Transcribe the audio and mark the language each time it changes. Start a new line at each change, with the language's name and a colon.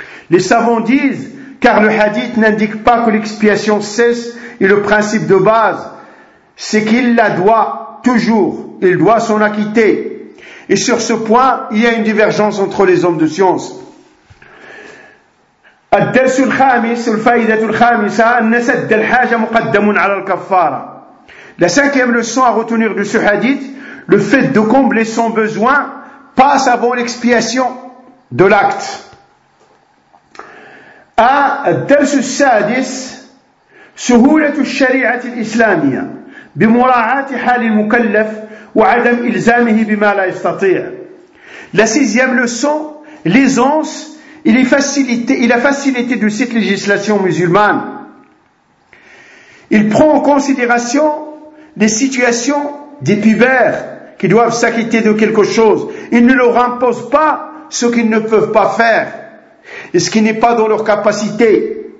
French: Les savants disent, car le hadith n'indique pas que l'expiation cesse, et le principe de base, c'est qu'il la doit toujours, il doit s'en acquitter. Et sur ce point, il y a une divergence entre les hommes de science.
Arabic: الدرس الخامس والفائدة الخامسة أن سد الحاجة مقدم على الكفارة.
French: La cinquième leçon à retenir de ce hadith, le fait de combler son besoin passe avant l'expiation de l'acte.
Arabic: الدرس السادس سهولة الشريعة الإسلامية بمراعاة حال المكلف وعدم إلزامه بما لا يستطيع.
French: La sixième leçon, l'aisance et les facilités et la facilité de cette législation musulmane. Il prend en considération les situations des pubères qui doivent s'acquitter de quelque chose. Il ne leur impose pas ce qu'ils ne peuvent pas faire et ce qui n'est pas dans leur capacité.